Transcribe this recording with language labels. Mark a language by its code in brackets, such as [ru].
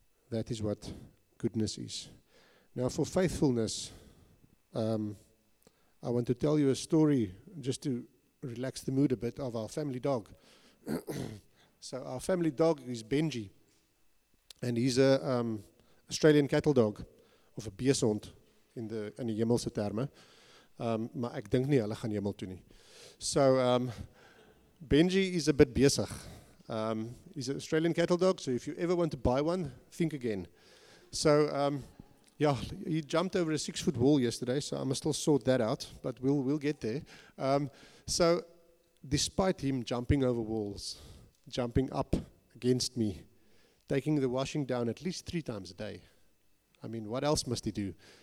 [en] That is what goodness is. Now, for faithfulness, I want to tell you a story just to relax the mood a bit of our family dog. So our family dog is Benji, and he's a Australian cattle dog, of a [af] beersond in die hemelse terme. Maar ek dink nie hulle gaan hemel toe nie. [en] So Benji is a bit besig. He's an Australian cattle dog, so if you ever want to buy one, think again. So yeah, he jumped over a 6-foot wall yesterday, so I must still sort that out, but we'll get there. So despite him jumping over walls, jumping up against me, taking the washing down at least 3 times a day, I mean, what else must he do?